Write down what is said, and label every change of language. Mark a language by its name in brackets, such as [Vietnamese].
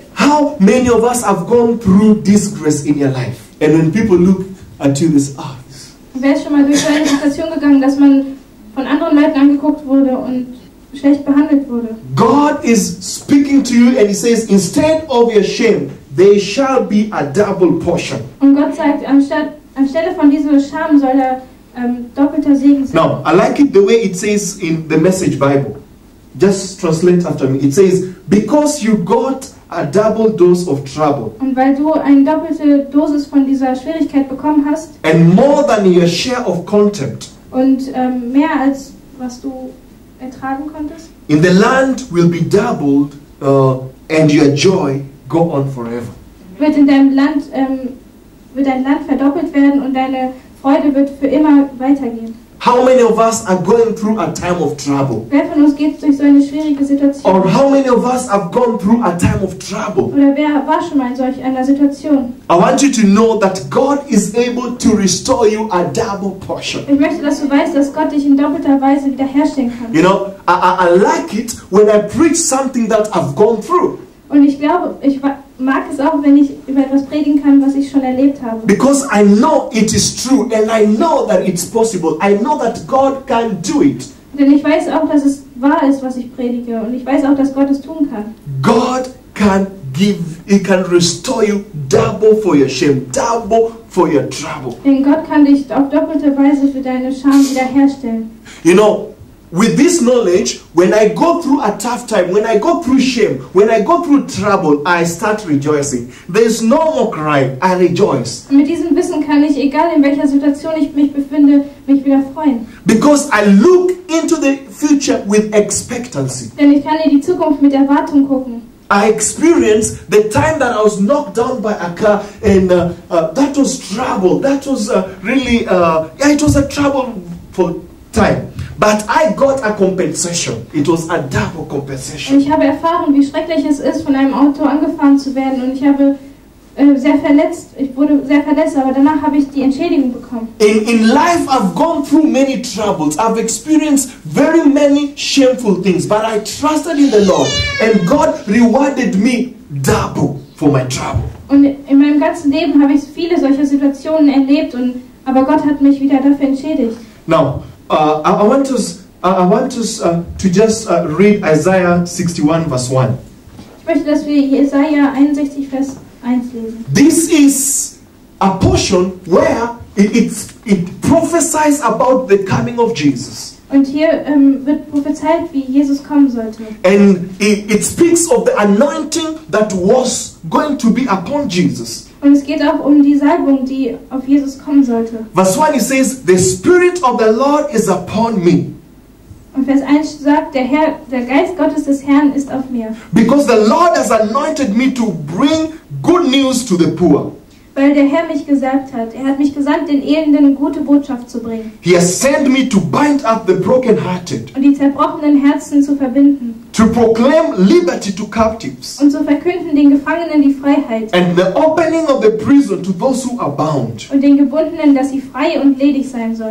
[English] How many of us have gone through disgrace in your life? And when people look at you, this eyes. [German] Wer ist schon mal durch so eine Situation gegangen, dass man von anderen Leuten angeguckt wurde und schlecht behandelt wurde? [English] God is speaking to you and he says, instead of your shame, they shall be a double portion. [German] Und Gott sagt, anstelle von dieser Scham soll er doppelter Segen sein. [English] Now, I like it the way it says in the Message Bible. Just translate after me. It says, because you got a double dose of trouble. [German] Und weil du eine doppelte Dosis von dieser Schwierigkeit bekommen hast. [English] And more than your share of contempt. [German] Und mehr als was du ertragen konntest. [English] In the land will be doubled and your joy go on forever. [German] Wird in deinem Land, wird dein Land verdoppelt werden und deine Freude wird für immer weitergehen. [English] How many of us are going through a time of trouble? [German] Wer von uns geht durch so eine schwierige Situation? [English] Or how many of us have gone through a time of trouble? [German] Oder wer war schon mal in solch einer Situation? [English] I want you to know that God is able to restore you a double portion. [German] Ich möchte, dass du weißt, dass Gott dich in doppelter Weise wiederherstellen kann. [English] You know, I like it when I preach something that I've gone through. [German] Und ich glaube, ich mag es auch, wenn ich über etwas predigen kann, was ich schon erlebt habe. [English] Because I know it is true and I know that it's possible. I know that God can do it. [German] Denn ich weiß auch, dass es wahr ist, was ich predige, und ich weiß auch, dass Gott es tun kann. [English] God can give, he can restore you double for your shame, double for your trouble. [German] Denn Gott kann dich auf doppelte Weise für deine Scham wiederherstellen. [English] You know, with this knowledge, when I go through a tough time, when I go through shame, when I go through trouble, I start rejoicing. There's no more crying, I rejoice. [German] Mit diesem Wissen kann ich, egal in welcher Situation ich mich befinde, mich wieder freuen. [English] Because I look into the future with expectancy. [German] Denn ich kann in die Zukunft mit Erwartung gucken. [English] I experienced the time that I was knocked down by a car, and that was trouble. That was it was a trouble for time. But I got a compensation. It was a double compensation. [German] Ich habe erfahren, wie schrecklich es ist, von einem Auto angefahren zu werden, und ich habe wurde sehr verletzt, aber danach habe ich die Entschädigung bekommen. [English] In life I've gone through many troubles. I've experienced very many shameful things, but I trusted in the Lord and God rewarded me double for my trouble. [German] Und in meinem ganzen Leben habe ich viele solcher Situationen erlebt, und aber Gott hat mich wieder dafür entschädigt. [English] Now, I want us to read Isaiah 61 verse 1. [German] Ich möchte, dass wir Jesaja 61 Vers 1 lesen. [English] This is a portion where it prophesies about the coming of Jesus. [German] Und hier wird prophezeit, wie Jesus kommen sollte. [English] And it speaks of the anointing that was going to be upon Jesus. [German] Und es geht auch die Salbung, die auf Jesus kommen sollte. [English] Verse 1, he says, the Spirit of the Lord is upon me. [German] Und Vers 1 sagt, der Geist Gottes des Herrn ist auf mir. [English] Because the Lord has anointed me to bring good news to the poor. [German] Weil der Herr mich gesalbt hat. Er hat mich gesandt, den Elenden gute Botschaft zu bringen. [English] He has sent me to bind up the brokenhearted. [German] Und die zerbrochenen Herzen zu verbinden. [English] To proclaim liberty to captives. [German] Und so verkünden den Gefangenen die Freiheit. [English] And the opening of the prison to those who are bound. [German] Und den Gebundenen, dass sie frei und ledig sein sollen.